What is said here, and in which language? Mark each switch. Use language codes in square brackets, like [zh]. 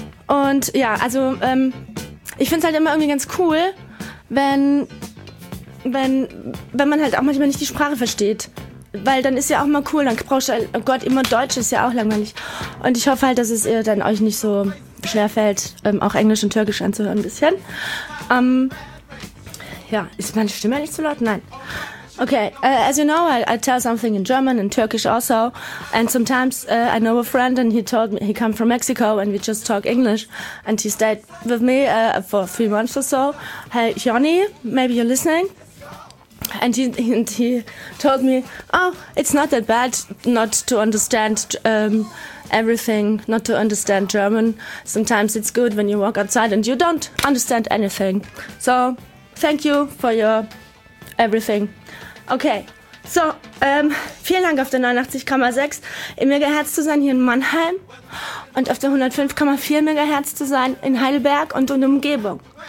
[de] Und ja, also ich finde es halt immer irgendwie ganz cool, wenn man halt auch manchmal nicht die Sprache versteht. Weil dann ist ja auch mal cool, dann brauchst du halt, oh Gott, immer Deutsch ist ja auch langweilig. Und ich hoffe halt, dass es ihr dann euch nicht so schwer fällt, auch Englisch und Türkisch anzuhören ein bisschen. Ja, ist meine Stimme nicht so laut? Nein. [en] Okay, as you know, I tell something in German and Turkish also. And sometimes I know a friend and he told me he come from Mexico and we just talk English. And he stayed with me for 3 months or so. Hey, Johnny, maybe you're listening? And he told me, oh, it's not that bad not to understand everything, not to understand German. Sometimes it's good when you walk outside and you don't understand anything. So, thank you for your everything. [de] Okay, so, vielen Dank auf der 89,6 MHz zu sein hier in Mannheim und auf der 105,4 MHz zu sein in Heidelberg und in der Umgebung.